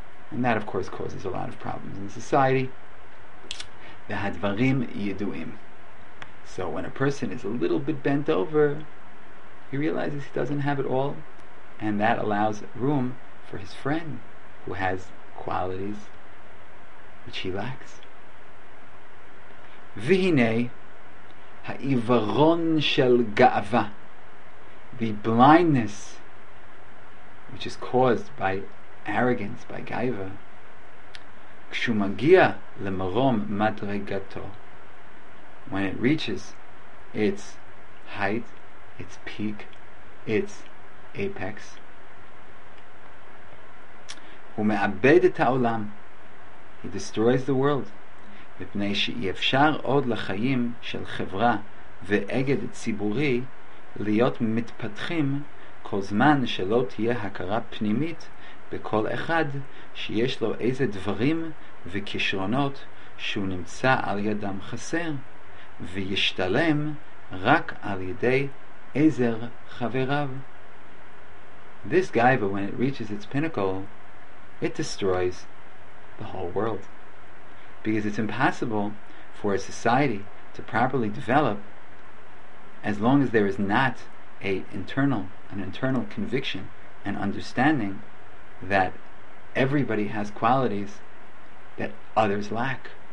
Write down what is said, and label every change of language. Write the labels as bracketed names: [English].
[English] And that, of course, causes a lot of problems in society. [Hebrew] V'hadvarim yiduim. [English] So when a person is a little bit bent over, he realizes he doesn't have it all, and that allows room for his friend, who has qualities which he lacks. [Hebrew] V'hine, ha'ivaron shel ga'ava, [English] the blindness which is caused by arrogance, by gaiva, [Hebrew] k'shumagia lemarom madregato, [English] when it reaches its height, its peak, its apex, [Hebrew] u'me'abed et ha'olam, [English] he destroys the world, [Hebrew] מפני שיאפשר עוד לחיים של חברה ואגד ציבורי להיות מתפתחים כל זמן שלא תהיה הכרה פנימית בכל אחד שיש לו איזה דברים וכישרונות שהוא נמצא על ידם חסר וישתלם רק על ידי עזר חבריו. [English] This guy, but when it reaches its pinnacle, it destroys the whole world, because it's impossible for a society to properly develop as long as there is not an internal conviction and understanding that everybody has qualities that others lack.